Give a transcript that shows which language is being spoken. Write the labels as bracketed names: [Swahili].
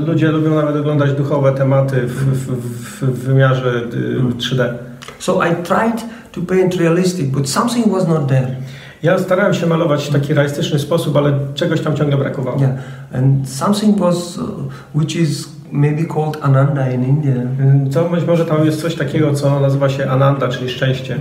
[Polish] ludzie lubią nawet oglądać duchowe tematy w wymiarze 3D. [English] So I tried to paint realistic, but something was not there. [Polish] Ja starałem się malować w taki realistyczny sposób, ale czegoś tam ciągle brakowało. [English] Yeah. And something was which is maybe called Ananda in India. [Polish] Co może tam jest coś takiego, co nazywa się Ananda, czyli szczęście.